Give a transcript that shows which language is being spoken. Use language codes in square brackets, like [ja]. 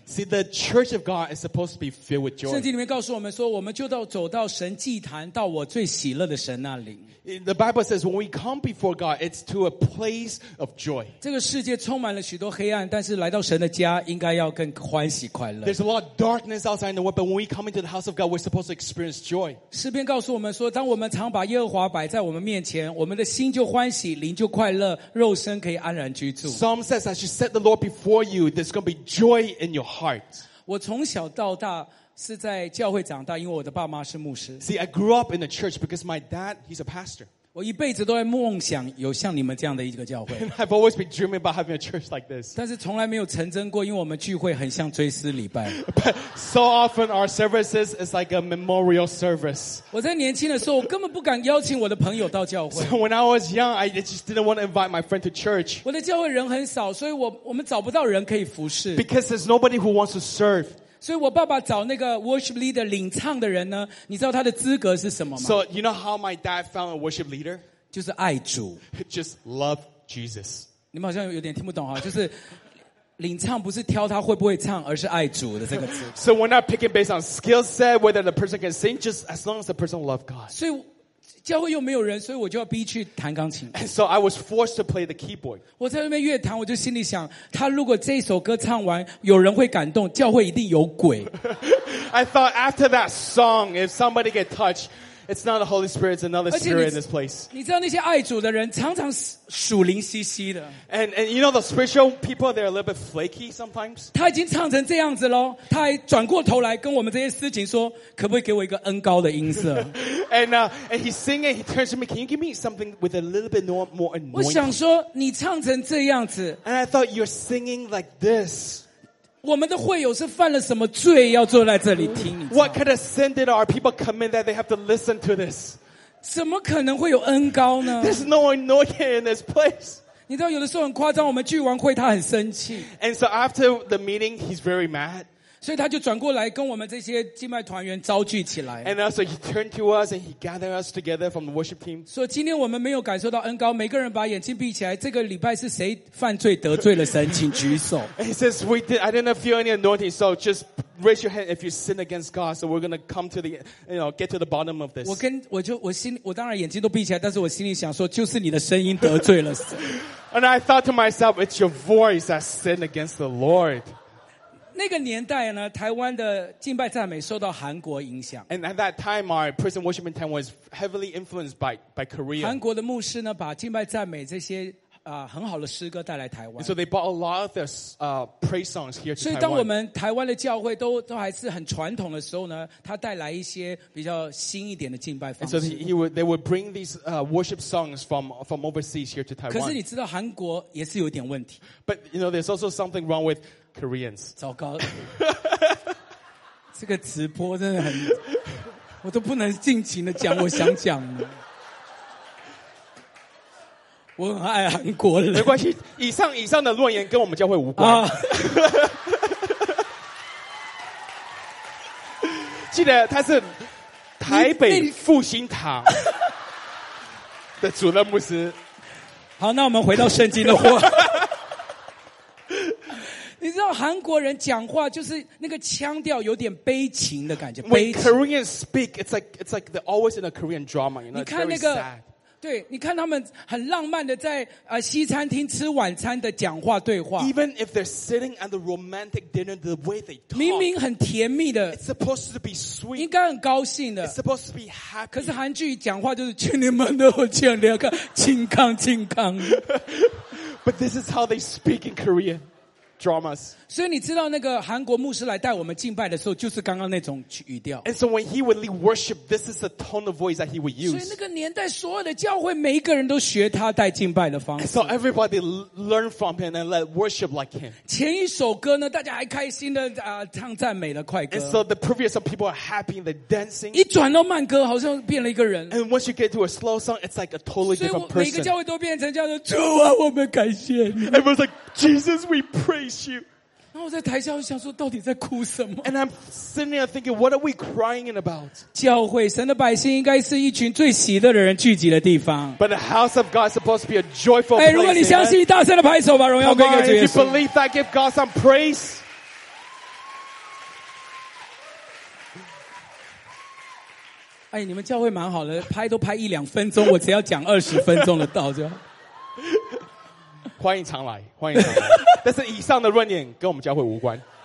[en] See, the church of God is supposed to be filled with joy. [zh] 圣经里面告诉我们说，我们就到走到神祭坛，到我最喜乐的神那里。 [en] The Bible says when we come before God, it's to a place of joy. [zh] 这个世界充满了许多黑暗，但是来到神的家，应该要更欢喜快乐。 [en] There's a lot of darkness outside in the world, but when we come into the house of God, we're supposed to experience joy. [zh] 诗篇告诉我们说，当我们常把耶和华摆在我们面前，我们的心就欢喜，灵就快乐，肉身可以安然居住。 [en] Psalm says, as you set the Lord before you, there's going to be joy in your heart. [zh] 我从小到大 是在教会长大，因为我的爸妈是牧师。 [en] See, I grew up in the church because my dad, he's a pastor. [zh] 我一辈子都在梦想有像你们这样的一个教会。 [en] I've always been dreaming about having a church like this. [zh] 但是从来没有成真过，因为我们聚会很像追思礼拜。 [en] But so often our services is like a memorial service. [zh] 我在年轻的时候，我根本不敢邀请我的朋友到教会。 [en] So when I was young, I just didn't want to invite my friend to church. [zh] 我的教会人很少，所以我们找不到人可以服侍。 [en] Because there's nobody who wants to serve. [zh] 所以我爸爸找那个 worship leader 领唱的人呢，你知道他的资格是什么吗？ [en] So you know how my dad found a worship leader? [zh] 就是爱主。 [en] Just love Jesus. [zh] 你们好像有点听不懂哈，就是领唱不是挑他会不会唱，而是爱主的这个词。 [en] So we're not picking based on skill set, whether the person can sing, just as long as the person loves God. [zh] 所以教会又没有人，所以我就要逼去弹钢琴。 [en] So I was forced to play the keyboard. [zh] 我在那边乐弹，我就心里想，他如果这首歌唱完，有人会感动，教会一定有鬼。 [en] I thought after that song, if somebody get touched, it's not the Holy Spirit, it's another spirit in this place. [zh] 你知道那些爱主的人常常属灵兮兮的。 [en] And you know the spiritual people, they're a little bit flaky sometimes. [zh] 他已经唱成这样子了，他还转过头来跟我们这些司琴说，可不可以给我一个恩高的音色？ [en] And he's singing, he turns to me, can you give me something with a little bit more anointing? [zh] 我想说你唱成这样子。 [en] And I thought you're singing like this. [zh] 我们的会友是犯了什么罪要坐在这里听你唱。 [en] What kind of sin did our people commit that they have to listen to this? [zh] 怎么可能会有恩膏呢？ [en] There's no anointing in this place. [zh] 你知道有的时候很夸张，我们聚完会他很生气。 [en] And so after the meeting, he's very mad. [zh] 所以他就转过来跟我们这些敬拜团员召聚起来。 [en] And also he turned to us and he gathered us together from the worship team. [zh] 所以今天我们没有感受到恩膏，每个人把眼睛闭起来。这个礼拜是谁犯罪得罪了神，请举手。 [en] He says I didn't feel any anointing, so just raise your hand if you sin against God. So we're gonna come to get to the bottom of this. [zh] 我当然眼睛都闭起来，但是我心里想说，就是你的声音得罪了神。 [en] And I thought to myself, it's your voice that sinned against the Lord. [zh] 那个年代呢，台湾的敬拜赞美受到韩国影响。 [en] And at that time, our prison worship in town was heavily influenced by Korea. [zh] 韩国的牧师呢，把敬拜赞美这些很好的诗歌带来台湾。 [en] And so they brought a lot of their praise songs here to Taiwan. [zh] 所以当我们台湾的教会都还是很传统的时候呢，他带来一些比较新一点的敬拜方式。 [en] And so they would bring these worship songs from overseas here to Taiwan. [zh] 可是你知道韩国也是有点问题。 [en] But you know, there's also something wrong with Koreans. [zh] 糟糕，这个直播真的很，我都不能尽情的讲我想讲的。我很爱韩国人，没关系。以上的论言跟我们教会无关。啊、记得他是台北复兴堂的主任牧师。好，那我们回到圣经的话。你知道韩国人讲话就是那个腔调有点悲情的感觉。 [en] When Koreans speak, it's like they're always in a Korean drama. You know, [zh] 你看那个，对，你看他们很浪漫的在西餐厅吃晚餐的讲话对话。 [en] Even if they're sitting at the romantic dinner, the way they talk, [zh] 明明很甜蜜的 [en] ，it's supposed to be sweet, [zh] 应该很高兴的 [en] ，it's supposed to be happy. [zh] 可是韩剧讲话就是请你们都请两个清康清康。 [en] But this is how they speak in Korean. Dramas. [zh] 所以你知道那个韩国牧师来带我们敬拜的时候就是刚刚那种语调。 [en] And so when he would lead worship, this is the tone of voice that he would use. [zh] 所以那个年代所有的教会每一个人都学他带敬拜的方式。 [en] And so everybody learned from him and led worship like him. [zh] 前一首歌呢大家还开心的唱赞美的快歌。 [en] And so the previous of people are happy and they're dancing. [zh] 一转到慢歌好像变了一个人。 [en] And once you get to a slow song, it's like a totally different person. [zh] 所以每个教会都变成叫做主啊我们感谢你。 [en] Everyone's like, Jesus, we praise. [zh] 然后我在台下想说到底在哭什么 [en] And I'm sitting there thinking, what are we crying about? [zh] 教会神的百姓应该是一群最喜乐的人聚集的地方 [en] But the house of God is supposed to be a joyful place [zh] 如果你相信大声的拍手吧荣耀归给主耶稣 [en] If you believe that, give God some praise [zh] 哎，你们教会蛮好的拍都拍一两分钟我只要讲二十分钟的道就好欢迎常来，欢迎常来。但是以上的论点跟我们教会无关。